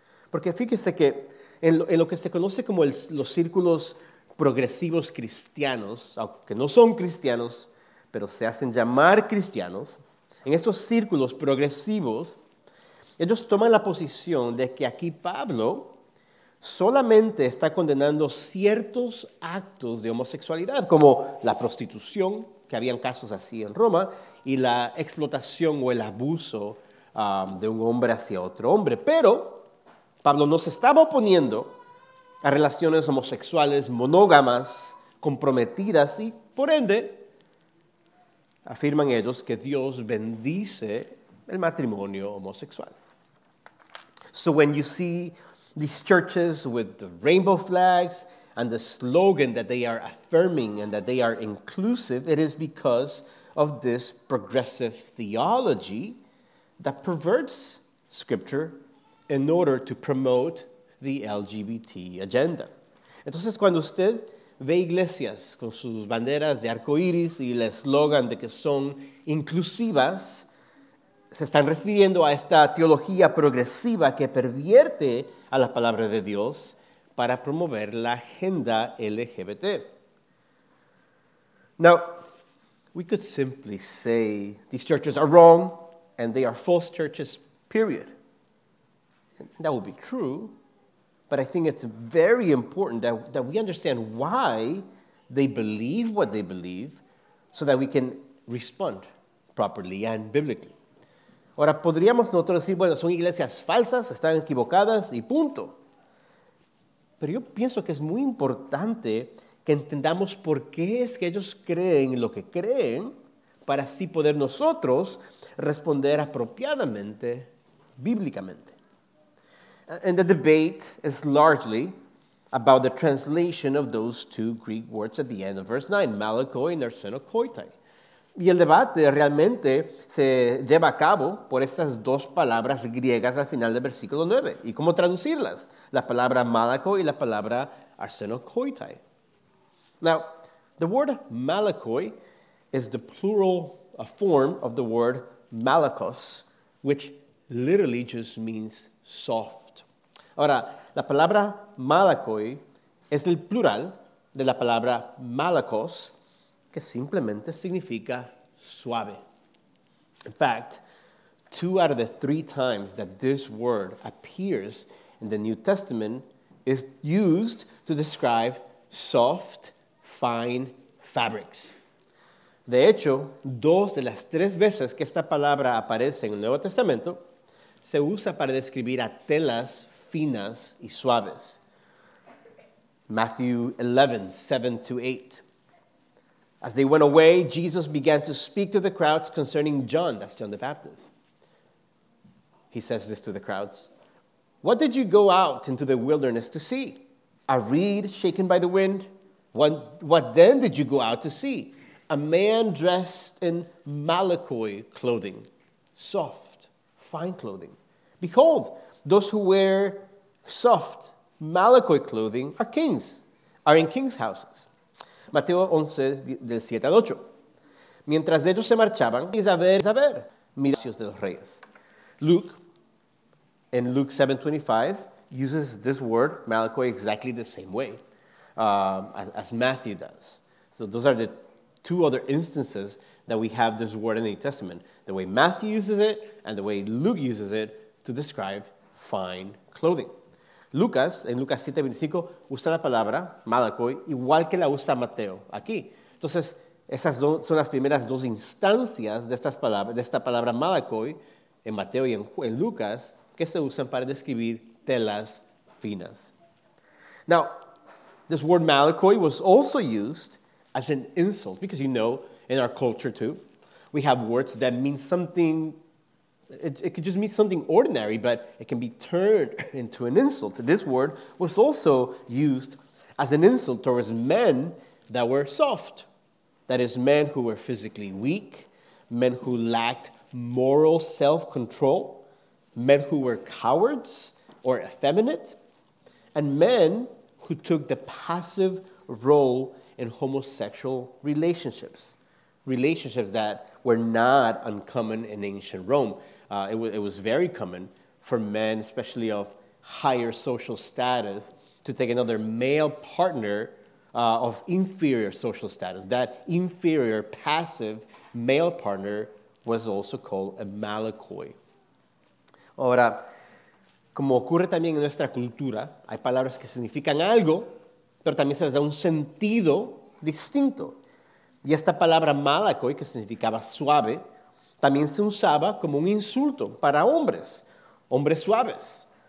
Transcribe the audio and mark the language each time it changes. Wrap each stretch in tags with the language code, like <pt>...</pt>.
<es>Porque fíjese que en lo que se conoce como los círculos progresivos cristianos, aunque no son cristianos, pero se hacen llamar cristianos, en estos círculos progresivos, ellos toman la posición de que aquí Pablo solamente está condenando ciertos actos de homosexualidad, como la prostitución, que habían casos así en Roma, y la explotación o el abuso de un hombre hacia otro hombre. Pero Pablo no se estaba oponiendo a relaciones homosexuales monógamas, comprometidas, y por ende, afirman ellos que Dios bendice el matrimonio homosexual.</es> <en>So when you see these churches with the rainbow flags and the slogan that they are affirming and that they are inclusive, it is because of this progressive theology that perverts scripture in order to promote the LGBT agenda.</en> <es>Entonces, cuando usted ve iglesias con sus banderas de arcoíris y el eslogan de que son inclusivas, se están refiriendo a esta teología progresiva que pervierte a la palabra de Dios para promover la agenda LGBT.</es> <en>Now, we could simply say these churches are wrong and they are false churches, period. And that would be true, but I think it's very important that we understand why they believe what they believe so that we can respond properly and biblically.</en> <es>Ahora, podríamos nosotros decir, bueno, son iglesias falsas, están equivocadas y punto. Pero yo pienso que es muy importante que entendamos por qué es que ellos creen lo que creen para así poder nosotros responder apropiadamente, bíblicamente.</es> <en>And the debate is largely about the translation of those two Greek words at the end of verse 9, malakoi and arsenokoitai.</en> <es>Y el debate realmente se lleva a cabo por estas dos palabras griegas al final del versículo 9. ¿Y cómo traducirlas? La palabra malakoi y la palabra arsenokoitai.</es> <en>Now, the word malakoi is the plural form of the word malakos, which literally just means soft.</en> <es>Ahora, la palabra malakoi es el plural de la palabra malakos, que simplemente significa suave.</es> <en>In fact, two out of the three times that this word appears in the New Testament is used to describe soft, fine fabrics.</en> <es>De hecho, dos de las tres veces que esta palabra aparece en el Nuevo Testamento se usa para describir a telas finas y suaves.</es> <en>Matthew 11:7-8. As they went away, Jesus began to speak to the crowds concerning John, that's John the Baptist. He says this to the crowds, "What did you go out into the wilderness to see? A reed shaken by the wind? What then did you go out to see? A man dressed in malakoi clothing, soft, fine clothing. Behold, those who wear soft, malakoi clothing are kings, are in kings' houses."</en> <es>Mateo 11:7-8. Mientras ellos se marchaban, Isabel, mira los de los reyes.</es> <en>Luke, in Luke 7:25, uses this word, malakoi, exactly the same way as Matthew does. So those are the two other instances that we have this word in the New Testament, the way Matthew uses it and the way Luke uses it to describe fine clothing.</en> <es>Lucas, en Lucas 7:25, usa la palabra malakoi igual que la usa Mateo aquí. Entonces, esas son las primeras dos instancias de estas palabras, de esta palabra malakoi en Mateo y en Lucas que se usan para describir telas finas.</es> <en>Now, this word malakoi was also used as an insult because, you know, in our culture too, we have words that mean something. It could just mean something ordinary, but it can be turned into an insult. This word was also used as an insult towards men that were soft. That is, men who were physically weak, men who lacked moral self-control, men who were cowards or effeminate, and men who took the passive role in homosexual relationships. Relationships that were not uncommon in ancient Rome. It was very common for men, especially of higher social status, to take another male partner of inferior social status. That inferior, passive male partner was also called a malakoi.</en> <es>Ahora, como ocurre también en nuestra cultura, hay palabras que significan algo, pero también se les da un sentido distinto. Y esta palabra malakoi, que significaba suave, también se usaba como un insulto para hombres, hombres suaves.</es>